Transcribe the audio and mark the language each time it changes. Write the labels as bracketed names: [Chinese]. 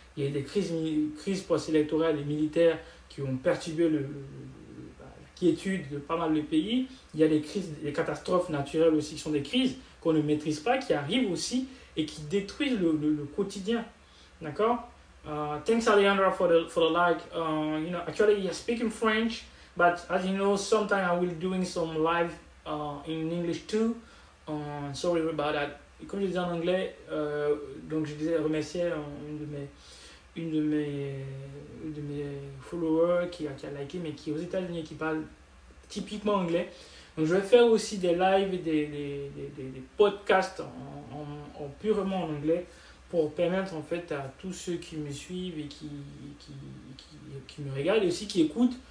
[French] Il y a des crises post-électorales et militaires qui ont perturbé la qui étudent pas mal de pays, il y a des crises, des catastrophes naturelles aussi, qui sont des crises qu'on ne maîtrise pas, qui arrivent aussi et qui détruisent le quotidien. D'accord? [English] Thanks, Alejandra, for the like. You know, actually, you're speaking French, but as you know, sometimes I will be doing some live in English too. Sorry about that. [French] Et comme je disais en anglais, donc je disais remercier une de mes followers qui a liké, mais qui est aux États-Unis et qui parle typiquement anglais. Donc je vais faire aussi des lives et des podcasts en purement en anglais pour permettre en fait à tous ceux qui me suivent et qui me regardent et aussi qui écoutent.